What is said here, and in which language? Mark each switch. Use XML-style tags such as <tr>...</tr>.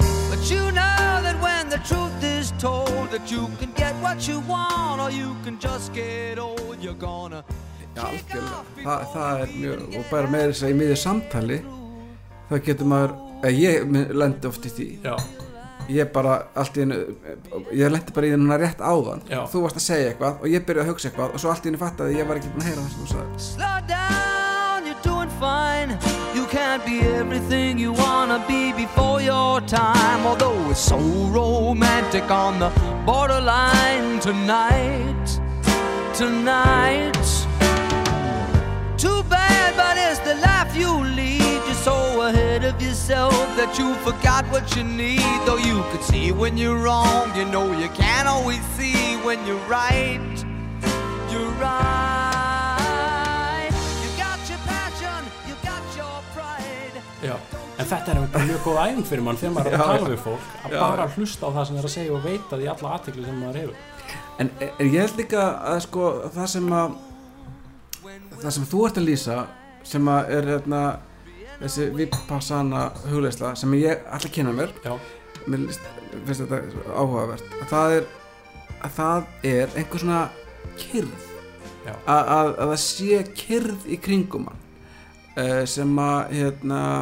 <en>But you know that when the truth is told, that you can get what you want or you can just get old. You're gonna kick off.</en> <is>Það er mjög, og bara með þess að í miðju samtali þá getur maður, ég lendi oft í því. Já. Ég bara allt í einu, ég lenti bara í þennan rétt áðan. Já. Þú varst að segja eitthvað og ég byrjaði að hugsa eitthvað og svo allt í einu fattaði ég var ekki búin að heyra það sem þú sagði.</is> <en>Slow down, you're doing fine. You can't be everything you wanna be before your time. Although it's so romantic on the borderline tonight, tonight. Too bad, but it's the life you lead. So ahead of yourself that you forgot what you need. Though you could see when you're wrong, you know you can't always see when you're right. You're right. You got your passion, you got your pride.</en> <is>Já, en þetta er einhvern mjög góð æfing fyrir mann þegar maður er að tala við fólk, að bara hlusta á það sem það er að segja og veita því alla athygli sem maður hefur. En er ég held líka að sko það sem að það sem þú ert að lýsa sem að er hérna þessi vipassana hugleysla sem ég allir kynna mér list, finnst þetta áhugavert að það er einhver svona kyrð að það sé kyrð í kringum mann sem að hérna,</is>